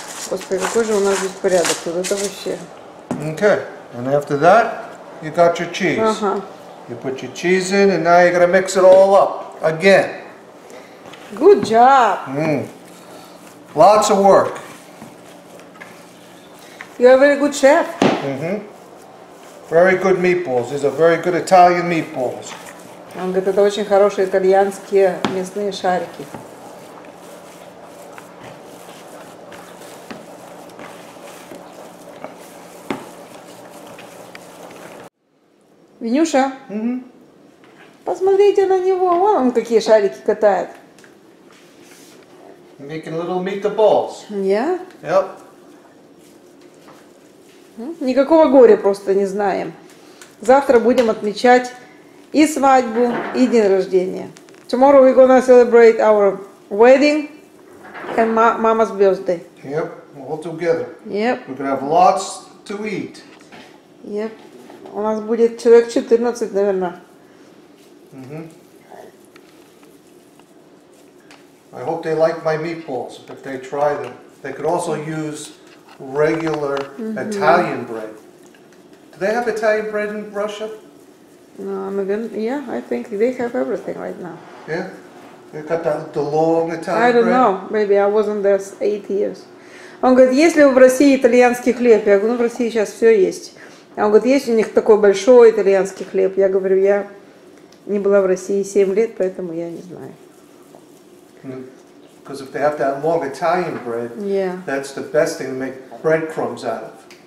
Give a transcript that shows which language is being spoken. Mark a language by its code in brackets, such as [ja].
[ru] Господи, какой же у нас здесь порядок, вот это вообще. [en] Okay, and after that, you got your cheese. Uh-huh. You put your cheese in, and now you're gonna mix it all up again. Good job. Mm. Lots of work. You're a very good chef. Mm-hmm. Very good meatballs. These are very good Italian meatballs. [ru] Он говорит, это очень хорошие итальянские мясные шарики. Винюша, [en] mm-hmm. [ru] посмотрите на него, вон он какие шарики катает. [en] Making little meatballs. Yeah? Yep. [ru] Никакого горя просто не знаем. Завтра будем отмечать и свадьбу, и день рождения. [en] Tomorrow we're gonna celebrate our wedding and mama's birthday. Yep, all together. Yep. We're gonna have lots to eat. Yep. [ru] У нас будет человек 14, наверное. [en] Mm-hmm. I hope they like my meatballs, if they try them. They could also use regular mm-hmm. Italian bread. Do they have Italian bread in Russia? No, I'm again. Yeah, I think they have everything right now. Yeah? They got the long Italian bread? I don't bread? Know. Maybe I wasn't there 8 years. [ru] Он говорит, есть ли в России итальянский хлеб? Я говорю, ну в России сейчас все есть. А он говорит, есть у них такой большой итальянский хлеб. Я говорю, я не была в России 7 лет, поэтому я не знаю. [en] Because if they have that long Italian bread, yeah. that's the best thing to make breadcrumbs out of.